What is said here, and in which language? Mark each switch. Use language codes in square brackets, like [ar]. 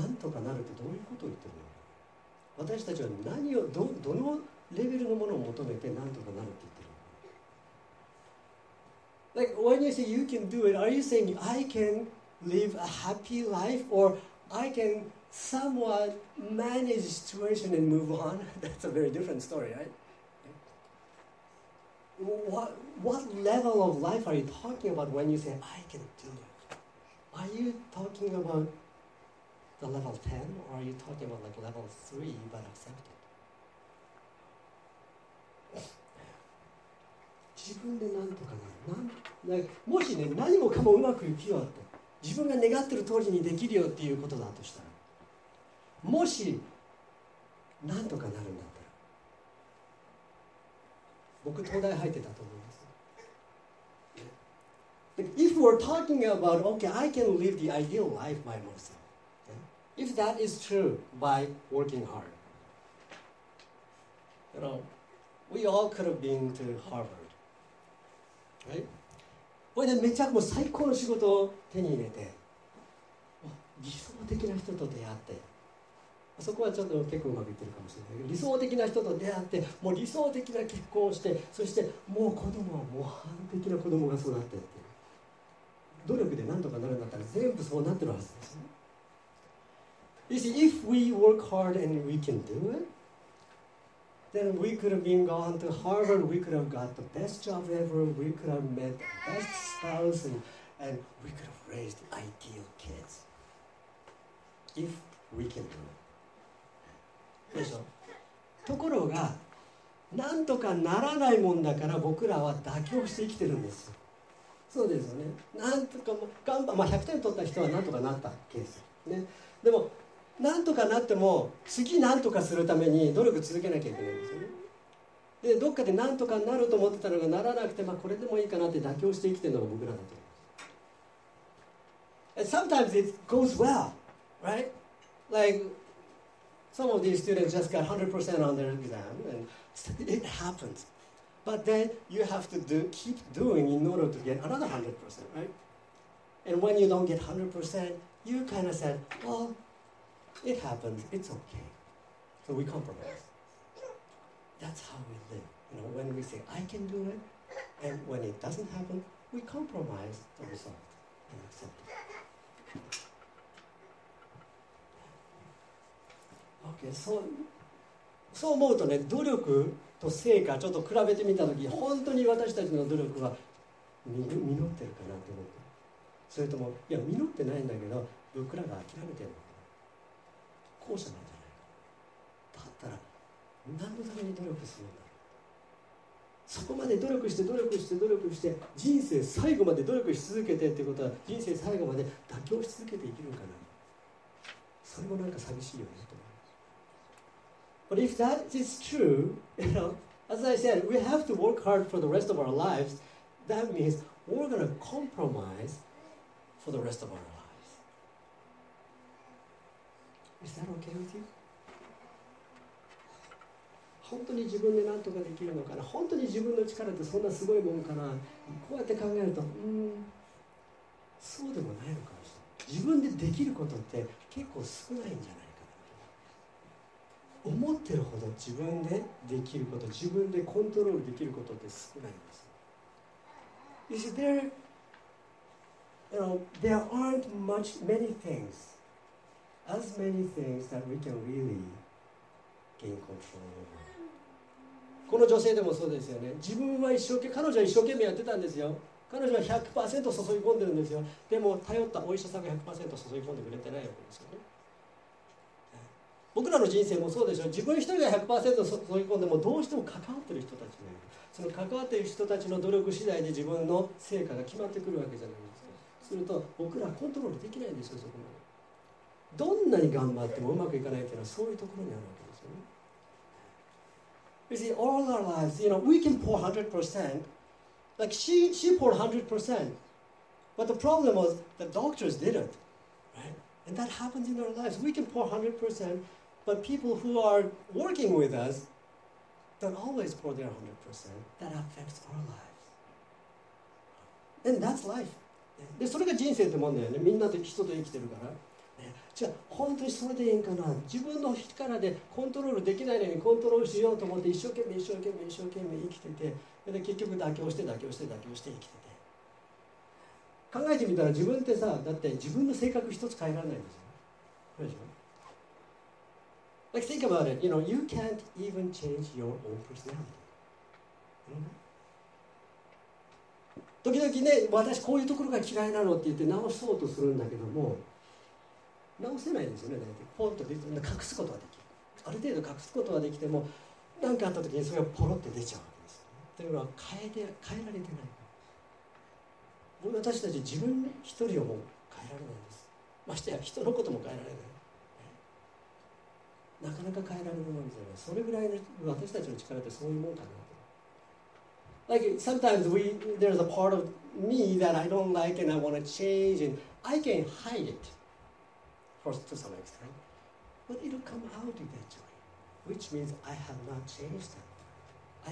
[ja] なんとかなるってどういうことを言ってるの？私たちは何を、どのレベルのものを求めてなんとかなるって言ってるの？ [en] Like when you say you can do it, are you saying I can live a happy life or I can somewhat manage the situation and move on? That's a very different story, right? What level of life are you talking about when you say I can do it? Are you talking about the level 10 or are you talking about like level 3 but accepted? [ja] 自分でなんとかなる。もしね、何もかもうまくいくよって、自分が願ってる通りにできるよっていうことだとしたら、もしなんとかなるんだ。僕東大入ってたと思います。 [en] If we're talking about, okay, I can live the ideal life by myself. If that is true by working hard. You know, we all could have been to Harvard. Right? [ja] これでめちゃくちゃ最高の仕事を手に入れて、理想的な人と出会って、そこはちょっと結構うまくいってるかもしれないけど、理想的な人と出会って、もう理想的な結婚をして、そしてもう子供は模範的な子供が育ってって、努力でなんとかなるんだったら全部そうなってるはずですね。 [en] You see, if we work hard and we can do it, then we could have been gone to Harvard, we could have got the best job ever, we could have met the best spouse, and we could have raised ideal kids. If we can do it [ja] でしょ。ところが、なんとかならないもんだから僕らは妥協して生きてるんです。そうですよね。なんとかも頑張、まあ100点取った人はなんとかなったケース、ね、でもなんとかなっても次なんとかするために努力続けなきゃいけないんですよね。でどっかでなんとかなると思ってたのがならなくて、まあこれでもいいかなって妥協して生きてるのが僕らだと思います。 [en] And sometimes it goes well, right? LikeSome of these students just got 100% on their exam, and it happens. But then you have to keep doing in order to get another 100%, right? And when you don't get 100%, you kind of said, well, it happens, it's okay. So we compromise. That's how we live. You know, when we say, I can do it, and when it doesn't happen, we compromise the result and accept it. [ja] Okay, そう思うとね、努力と成果ちょっと比べてみたとき、本当に私たちの努力は実ってるかなって思う。それとも、いや実ってないんだけど僕らが諦めてるのか、後者なんじゃないか。だったら何のために努力するんだろう。そこまで努力して努力して努力して人生最後まで努力し続けてってことは、人生最後まで妥協し続けて生きるかな。それもなんか寂しいよねと。 [en] But if that is true, you know, as I said, we have to work hard for the rest of our lives. That means we're going to compromise for the rest of our lives. Is that okay with you? [ja] 本当に自分で何とかできるのかな？本当に自分の力ってそんなすごいもんかな？こうやって考えると、そうでもないのかもしれない。自分でできることって結構少ないんじゃない？思ってるほど自分でできること、自分でコントロールできることって少ないんです。 [en] You see, there aren't many things that we can really gain control over. [ja] この女性でもそうですよね。自分は一生懸命、彼女は一生懸命やってたんですよ。彼女は 100% 注ぎ込んでるんですよ。でも頼ったお医者さんが 100% 注ぎ込んでくれてないわけですよね。僕らの人生もそうでしょ。自分一人が 100% 注ぎ込んでも、どうしても関わってる人たちがいる。その関わってる人たちの努力次第で自分の成果が決まってくるわけじゃないですか。すると僕らはコントロールできないんですよ、そこまで。どんなに頑張ってもうまくいかないというのはそういうところにあるわけですよね。 [en] You see, all our lives, you know, we can pour 100%. Like she poured 100%. But the problem was the doctors didn't, right? And that happens in our lives. We can pour 100%, but people who are working with us don't always pour their 100%. That affects our lives. And that's life. [ja] で、それが人生ってもんだよね。みんなと人と生きてるから。じゃあ本当にそれでいいんかな、自分の力でコントロールできないのにコントロールしようと思って一生懸命一生懸命一生懸命生きてて、で結局妥協して妥協して妥協して生きてて、考えてみたら自分ってさ、だって自分の性格一つ変えられないんですよ。そうでしょ。 [en] Like think about it, you know, you can't even change your own personality. [ja] 時々ね、私こういうところが嫌いなのって言って直そうとするんだけども、直せないですよね、ね、ポンと隠すことはできる。ある程度隠すことはできても、何かあった時にそれがポロって出ちゃうわけですよ、ね。というのは変えられてない。私たち自分一人をもう変えられないんです。ましてや人のことも変えられない。なかなか変えられるものですよね。それぐらいの私たちの力ってそういうものかなと。 [en] Like, sometimes there's a part of me that I don't like and I want to change and I can hide it. First, to some extent, but it'll come out eventually, which means I have not changed that.